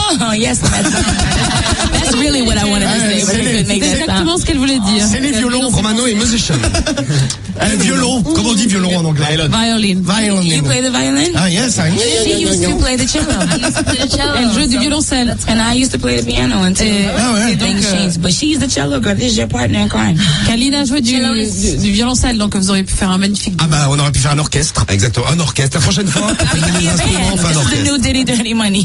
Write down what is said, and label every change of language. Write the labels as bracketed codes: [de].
[en] Oh, yes, that's really what I wanted to say. [fr] C'est exactement ce qu'elle voulait dire. C'est les violons, Romano est musician. Un violon, comment on dit violon en anglais? [en] Violin. You play the violin? Ah, yes, I used to. She used to play the cello. [fr] Elle jouait du violoncelle. [en] And I used to play the piano until things changed. But she's the cello girl. This is your partner in crime. [fr] Kalina jouait du violoncelle, donc vous auriez pu faire un magnifique. Ah, bah, on aurait pu faire un orchestre. Exactement, un orchestre. La prochaine fois, [en] I'll be a band. This is the new Dirty Money.